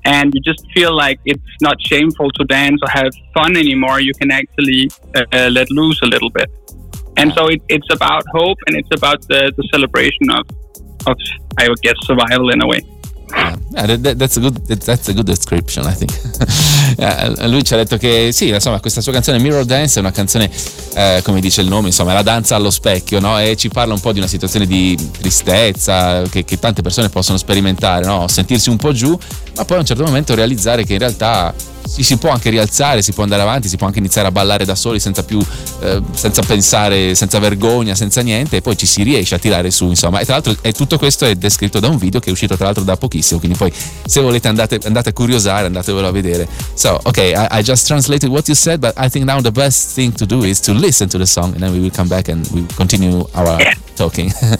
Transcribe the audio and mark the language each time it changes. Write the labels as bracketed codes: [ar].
[en] And you just feel like it's not shameful to dance or have fun anymore. You can actually let loose a little bit. And so it's about hope, and it's about the celebration of I would guess survival in a way. Yeah. That's a good description, I think. [it] Lui ci ha detto che sì, insomma, questa sua canzone Mirror Dance è una canzione, come dice il nome, insomma, è la danza allo specchio, no? E ci parla un po' di una situazione di tristezza che tante persone possono sperimentare, no? Sentirsi un po' giù, ma poi a un certo momento realizzare che in realtà si può anche rialzare, si può andare avanti, si può anche iniziare a ballare da soli senza più, senza pensare, senza vergogna, senza niente, e poi ci si riesce a tirare su, insomma. E tra l'altro è tutto questo è descritto da un video che è uscito tra l'altro da pochissimo, quindi poi se volete andate a curiosare, andatevelo a vedere. [en] So okay, I just translated what you said, but I think now the best thing to do is to listen to the song, and then we will come back and we continue our talking.